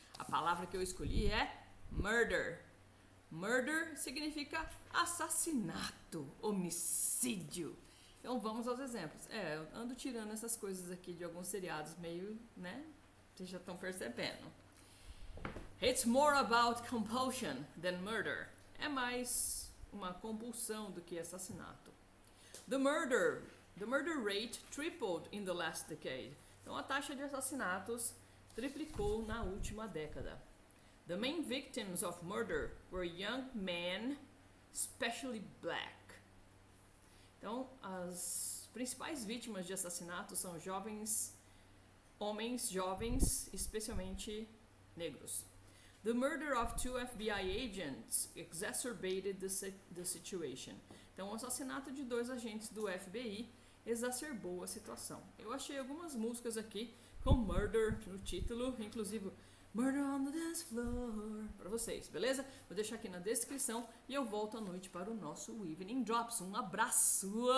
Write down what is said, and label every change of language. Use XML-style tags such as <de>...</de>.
<pt>A palavra que eu escolhi é murder. Murder significa assassinato, homicídio. Então vamos aos exemplos. É, eu ando tirando essas coisas aqui de alguns seriados meio, né? Vocês já estão percebendo.</pt> <en>It's more about compulsion than murder.</en> <pt>É mais uma compulsão do que assassinato.</pt> <en>The murder rate tripled in the last decade.</en> <pt>Então, a taxa de assassinatos triplicou na última década.</pt> <en>The main victims of murder were young men, especially black.</en> <pt>Então, as principais vítimas de assassinatos são jovens, homens jovens, especialmente negros.</pt> <en>The murder of two FBI agents exacerbated the situation.</en> <pt>Então, o assassinato de dois agentes do FBI exacerbou a situação. Eu achei algumas músicas aqui com murder no título, inclusive Murder on the Dance Floor, para vocês, beleza? Vou deixar aqui na descrição e eu volto à noite para o nosso Evening Drops. Um abraço!</pt>